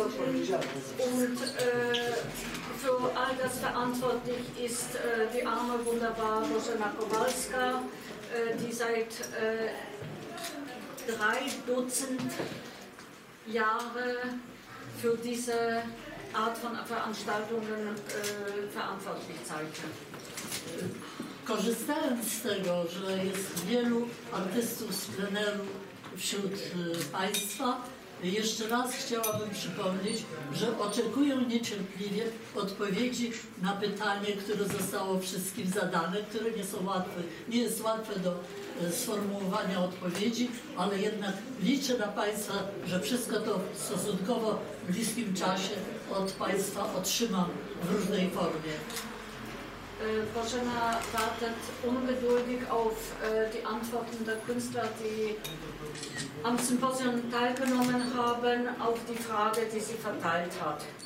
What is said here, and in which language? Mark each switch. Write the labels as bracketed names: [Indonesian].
[German] Und für all das verantwortlich ist die arme, wunderbare Bożena Kowalska, die seit drei Dutzend Jahre für diese Art von Veranstaltungen verantwortlich zeigte. [Polish] Korzystając z tego, że jest wielu artystów z pleneru wśród Państwa, jeszcze raz chciałabym przypomnieć, że oczekuję niecierpliwie odpowiedzi na pytanie, które zostało wszystkim zadane, które nie są łatwe. Nie jest łatwe do sformułowania odpowiedzi, ale jednak liczę na Państwa, że wszystko to w stosunkowo bliskim czasie od Państwa otrzymam w różnej formie. [German] Boschena wartet ungeduldig auf die Antworten der Künstler, die am Symposium teilgenommen haben, auf die Frage, die sie verteilt hat.